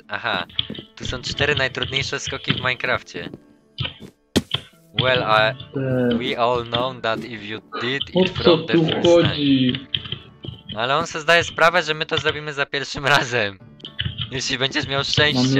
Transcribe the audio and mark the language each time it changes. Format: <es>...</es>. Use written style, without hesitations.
<pl>Aha, tu są cztery najtrudniejsze skoki w Minecrafcie.</pl> <en>Well, we all know that if you did it from the first time.</en> <pl>Ale on sobie zdaje sprawę, że my to zrobimy za pierwszym razem. Jeśli będziesz miał szczęście.</pl>